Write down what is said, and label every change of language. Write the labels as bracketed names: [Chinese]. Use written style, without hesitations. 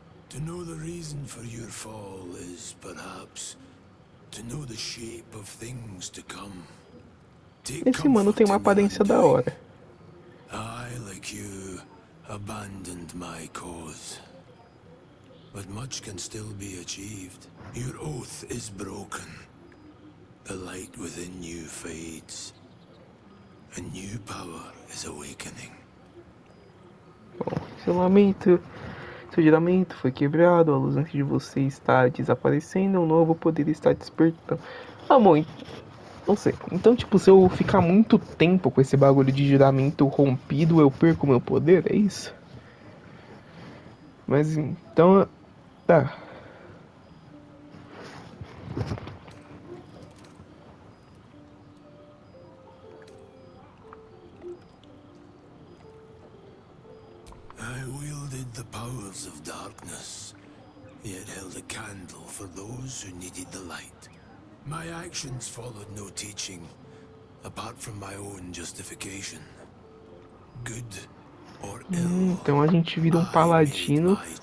[English] To know the reason for your fall is perhaps to know the shape of things to come. [Portuguese] Esse mano tem uma aparência da hora. [English] I, like you, abandoned my cause. But much can still be achieved. Your oath is broken. The light within you fades. A new power is awakening. [Portuguese] Bom, seu juramento foi quebrado. A luz antes de você está desaparecendo. Um novo poder está despertando. Amor, não sei. Então, tipo, se eu ficar muito tempo com esse bagulho de juramento rompido, eu perco meu poder? É isso? Mas então. Tá. [English] I wielded the powers of darkness, yet held a candle for those who needed the light. My actions followed no teaching, apart from my own justification. Good or ill, [Portuguese] então a gente vira um paladino.